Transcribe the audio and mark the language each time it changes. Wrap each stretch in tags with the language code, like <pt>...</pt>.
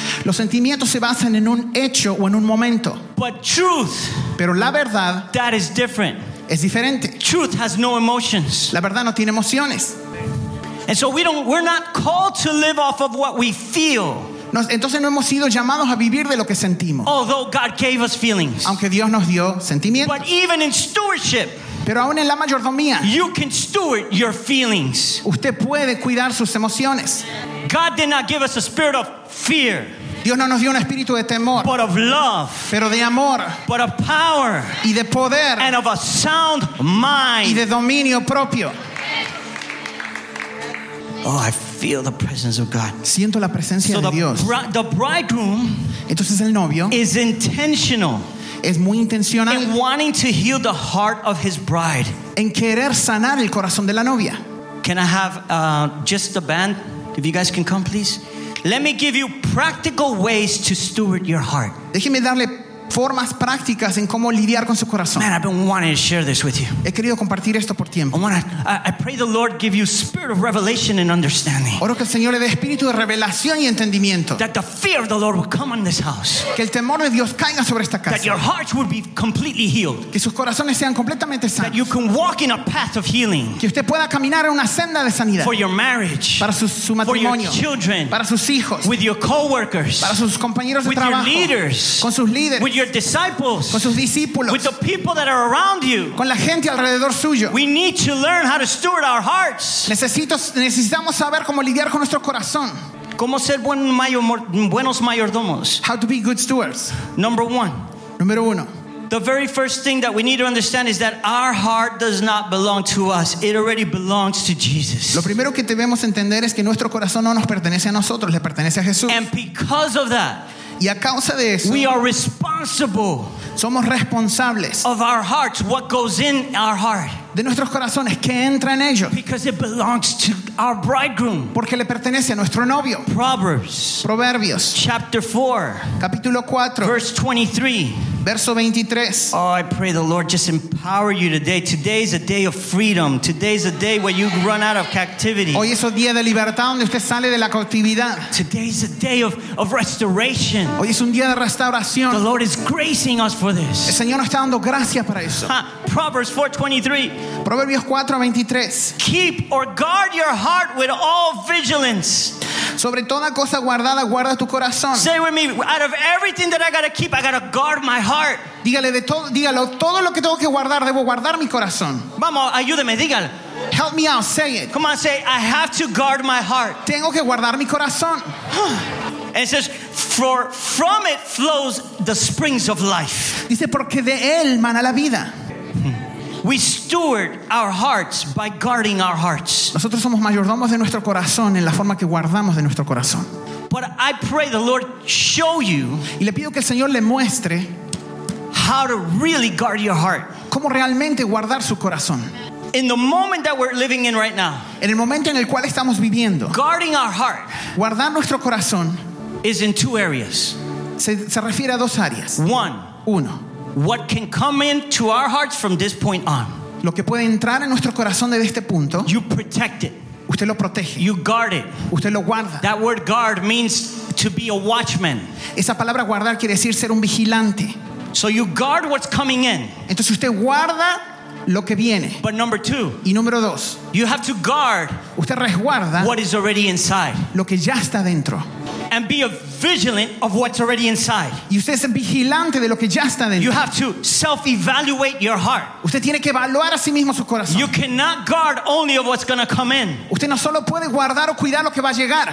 <es>Los sentimientos se basan en un hecho o en un momento.</es> <en>But truth,</en> <es>pero la verdad,</es> <en>that is different.</en> <es>Es diferente.</es> <en>Truth has no emotions.</en> <es>La verdad no tiene emociones.</es> <en>And so we're not called to live off of what we feel.</en> <es>Entonces no hemos sido llamados a vivir de lo que sentimos.</es> <en>Although God gave us feelings.</en> <es>Aunque Dios nos dio sentimientos.</es> <en>But even in stewardship,</en> <es>pero aún en la mayordomía,</es> <en>you can steward your feelings.</en> <es>Usted puede cuidar sus emociones.</es> <en>God did not give us a spirit of fear.</en> <es>Dios no nos dio un espíritu de temor,</es> <en>but of love.</en> <es>Pero de amor,</es> <en>but of power.</en> <es>Y de poder,</es> <en>and of a sound mind.</en> <es>Y de dominio propio.</es> <en>Oh, I feel the presence of God.</en> <es>Siento la presencia</es> <en>so</en> <es>de Dios.</es> <en>The bridegroom,</en> <es>entonces el novio,</es> <en>is intentional.</en> <es>Es muy intencional.</es> <en>In wanting to heal the heart of his bride.</en> <es>En querer sanar el corazón de la novia.</es> <en>Can I have just the band? If you guys can come, please. Let me give you practical ways to steward your heart.</en> <es>Déjeme darle formas prácticas en cómo lidiar con su corazón.</es> <en>Man, I've been wanting to share this with you.</en> <es>He querido compartir esto por tiempo.</es> <en>I pray the Lord give you spirit of revelation and understanding.</en> <es>Oro que el Señor le dé espíritu de revelación y entendimiento.</es> <en>That the fear of the Lord would come on this house.</en> <es>Que el temor de Dios caiga sobre esta casa.</es> <en>That your hearts would be completely healed.</en> <es>Que sus corazones sean completamente sanos.</es> <en>That you can walk in a path of healing.</en> <es>Que usted pueda caminar en una senda de sanidad.</es> <en>For your marriage.</en> <es>Para su matrimonio.</es> <en>For your children.</en> <es>Para sus hijos.</es> <en>With your coworkers.</en> <es>Para sus compañeros de</es> <en>with</en> <es>trabajo.</es> <en>With your leaders.</en> <es>Con sus líderes.</es> <en>With your disciples,</en> <es>con sus discípulos,</es> <en>with the people that are around you,</en> <es>con la gente alrededor suyo.</es> <en>We need to learn how to steward our hearts.</en> <es>Necesitamos saber cómo lidiar con nuestro corazón. Cómo ser buenos mayordomos.</es> <en>How to be good stewards. Number one.</en> <es>Número uno.</es> <en>The very first thing that we need to understand is that our heart does not belong to us. It already belongs to Jesus.</en> <es>Lo primero que debemos entender es que nuestro corazón no nos pertenece a nosotros, le pertenece a Jesús.</es> <en>And because of that,</en> <es>y a causa de eso,</es> <en>we are responsible.</en> <es>Somos responsables</es> <en>of our hearts, what goes in our heart.</en> <es>De nuestros corazones, ¿qué entra en ellos?</es> <en>Because it belongs to our bridegroom.</en> <es>Porque le pertenece a nuestro novio.</es> <en>Proverbs.</en> <es>Proverbios.</es> <en>Chapter 4.</en> <es>Capítulo 4.</es> <en>Verse 23.</en> <es>Verso 23.</es> <en>Oh, I pray the Lord just empower you today. Today is a day of freedom. Today is a day where you run out of captivity.</en> <es>Hoy es un día de libertad donde usted sale de la cautividad.</es> <en>Today is a day of restoration.</en> <es>Hoy es un día de restauración.</es> <en>The Lord is gracing us for this.</en> <es>El Señor nos está dando gracias para eso.</es> <en>Proverbs 4:23.</en> <es>Proverbios 4:23.</es> <en>Keep or guard your heart with all vigilance.</en> <es>Sobre toda cosa guardada, guarda tu corazón.</es> <en>Say with me, out of everything that I gotta keep, I gotta guard my heart.</en> <es>Dígalo, todo lo que tengo que guardar, debo guardar mi corazón. Vamos, ayúdeme, dígalo.</es> <en>Help me out, say it. Come on, say, I have to guard my heart.</en> <es>Tengo que guardar mi corazón.</es> <en>And it says, for from it flows the springs of life.</en> <es>Dice, porque de él mana la vida.</es> <en>We steward our hearts by guarding our hearts.</en> <es>Nosotros somos mayordomos de nuestro corazón en la forma que guardamos de nuestro corazón.</es> <en>But I pray the Lord show you.</en> <es>Y le pido que el Señor le muestre</es> <en>how to really guard your heart.</en> <es>Cómo realmente guardar su corazón.</es> <en>In the moment that we're living in right now,</en> <es>en el momento en el cual estamos viviendo,</es> <en>guarding our heart,</en> <es>guardar nuestro corazón,</es> <en>is in two areas.</en> <es>Se refiere a dos áreas.</es> <en>One,</en> <es>uno,</es> <en>what can come into our hearts from this point on.</en> <es>Lo que puede entrar en nuestro corazón desde este punto.</es> <en>You protect it.</en> <es>Usted lo protege.</es> <en>You guard it.</en> <es>Usted lo guarda.</es> <en>That word guard means to be a watchman.</en> <es>Esa palabra guardar quiere decir ser un vigilante.</es> <en>So you guard what's coming in.</en> <es>Entonces usted guarda lo que viene.</es> <en>But number two,</en> <es>y número dos,</es> <en>you have to guard,</en> <es>usted resguarda,</es> <en>what is already inside,</en> <es>lo que ya está dentro,</es> <en>and be a vigilant of what's already inside.</en> <es>Y usted es vigilante de lo que ya está dentro.</es> <en>You have to self-evaluate your heart.</en> <es>Usted tiene que evaluar a sí mismo su corazón.</es> <en>You cannot guard only of what's going to come in.</en> <es>Usted no solo puede guardar o cuidar lo que va a llegar.</es>